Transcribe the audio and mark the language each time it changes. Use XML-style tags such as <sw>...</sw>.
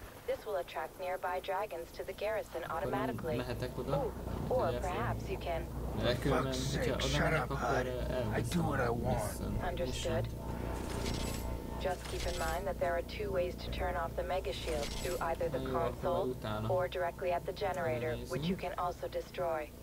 <en>This will attract nearby dragons to the garrison automatically.</en> <hu>Mehetek oda?</hu> <en>Or perhaps you can...</en> <hu>Elkülönöm, hogyha oda megyek, akkor elviszem.</hu> <en>Understood. Just keep in mind that there are two ways to turn off the mega shield through either the console or directly at the generator, which you can also destroy.</en>